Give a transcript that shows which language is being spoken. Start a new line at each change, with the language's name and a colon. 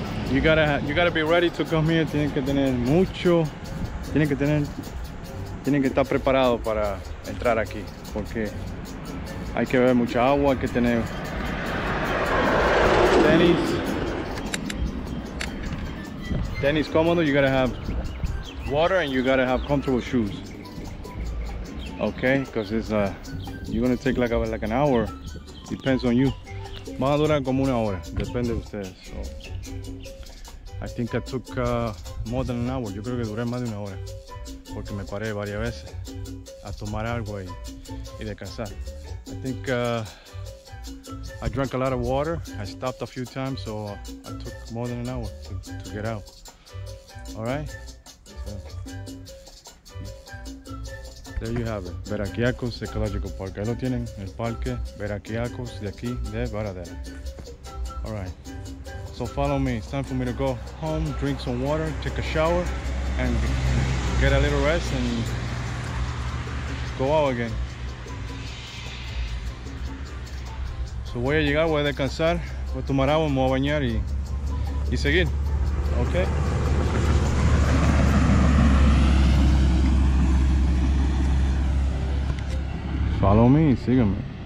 English: You gotta be ready to come here.
Spanish: Tienen que tener mucho. Tienen que estar preparados para entrar aquí, porque hay que beber mucha agua, hay que tener tenis cómodo.
English: You gotta have water and you gotta have comfortable shoes. Okay, because it's you're gonna take like an hour. Depends on you.
Spanish: Va a durar como una hora, depende de ustedes.
English: So, I think I took more than an hour.
Spanish: Yo creo que duré más de una hora. Porque me paré varias veces a tomar algo y descansar.
English: I think I drank a lot of water. I stopped a few times, so I took more than an hour to get out. Alright? So, there you have it. Varahicacos Ecological Park.
Spanish: Ahí lo tienen, el parque Varahicacos de aquí de Varadero.
English: Alright. So follow me. It's time for me to go home, drink some water, take a shower, and get a little rest and go out again.
Spanish: So voy a llegar, voy a descansar, voy a tomar agua, me voy a bañar y seguir.
English: Okay? Follow me, sígueme.